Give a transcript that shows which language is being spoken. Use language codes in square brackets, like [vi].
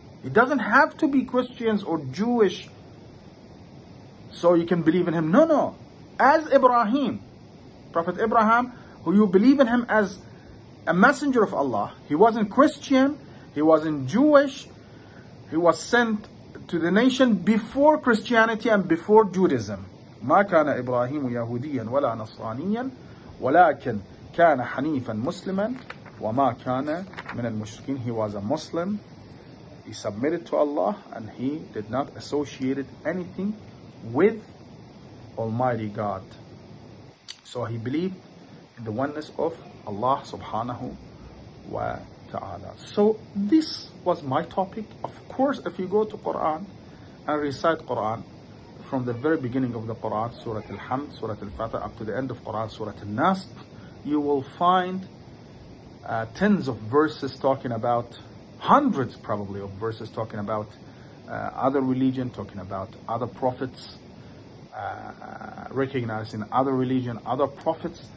[en] It doesn't have to be Christians or Jewish so you can believe in him. No, no. As Ibrahim, Prophet Ibrahim, who you believe in him as a messenger of Allah. He wasn't Christian. He wasn't Jewish. He was sent to the nation before Christianity and before Judaism. [ar] ما كان إبراهيم يهوديا ولا نصرانيا ولكن كان حنيفا مسلما وما كان من المشركين. [en] He was a Muslim. He submitted to Allah and he did not associate anything with Almighty God. So he believed in the oneness of Allah subhanahu wa ta'ala. So this was my topic. Of course, if you go to Quran and recite Quran from the very beginning of the Quran, Surah Al-Hamd, Surah Al-Fatih, up to the end of Quran, Surah Al-Nas, you will find tens of verses talking about, hundreds probably of verses talking about other religion, talking about other prophets, recognizing other religion, other prophets.